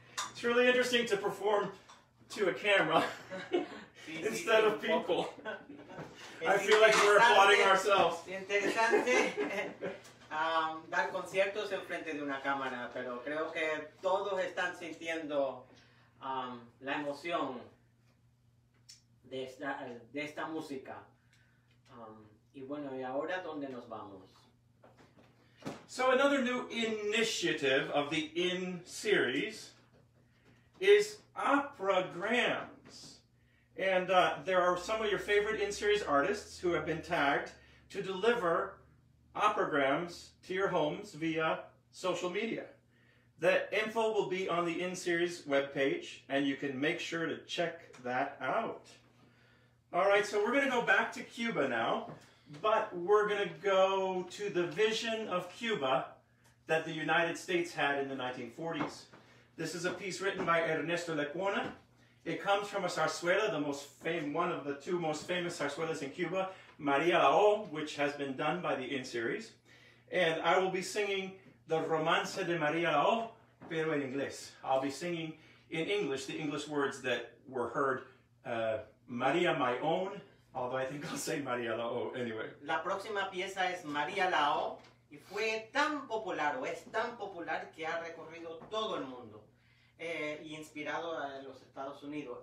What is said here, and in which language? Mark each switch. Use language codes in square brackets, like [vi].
[en] It's really interesting to perform to a camera instead of people. I feel like we're applauding ourselves. [es] Interesante. Dar conciertos en frente de una cámara, pero creo que todos están sintiendo la emoción de esta música. Y bueno, ¿y ahora dónde nos vamos? [en] So another new initiative of the IN series is Operagrams. And there are some of your favorite IN series artists who have been tagged to deliver Operagrams to your homes via social media. The info will be on the IN series webpage, and you can make sure to check that out. All right, so we're going to go back to Cuba now, but we're going to go to the vision of Cuba that the United States had in the 1940s. This is a piece written by Ernesto Lecuona. It comes from a zarzuela, one of the two most famous zarzuelas in Cuba, Maria La O, which has been done by the IN series. And I will be singing the Romance de Maria La O, [es] pero en inglés. [en] I'll be singing in English the English words that were heard, Maria My Own, although I think I'll say Maria La O anyway. [es] La próxima pieza es Maria La O, y fue tan popular, o es tan popular, que ha recorrido todo el mundo, y inspirado a los Estados Unidos.